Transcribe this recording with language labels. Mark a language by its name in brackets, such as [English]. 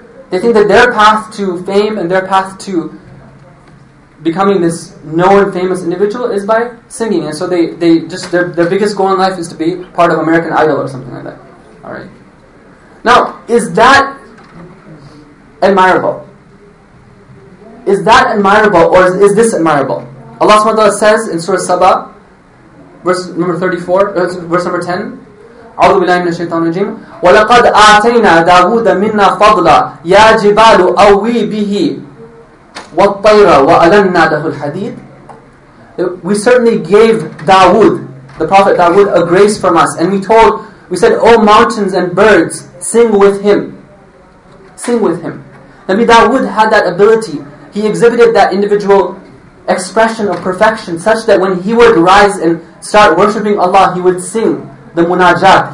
[English] They think that their path to fame and their path to becoming this known famous individual is by singing. And so their biggest goal in life is to be part of American Idol or something like that. All right. Now, is that admirable? Is that admirable or is this admirable? Allah subhanahu wa ta'ala says in Surah Saba, verse number 10, [Arabic] أعوذ بالله من الشيطان الرجيم وَلَقَدْ آتَيْنَا دَاوُودَ مِنَّا فَضْلًا يَا جِبَالُ أَوِّي بِهِ وَالطَّيْرَ وَأَلَنَّا لَهُ الْحَدِيدِ. [English] We certainly gave Dawood, the Prophet Dawood, a grace from us. And we said, O mountains and birds, sing with him. Sing with him. Nabi Dawood had that ability. He exhibited that individual expression of perfection such that when he would rise and start worshipping Allah, he would sing the munajat.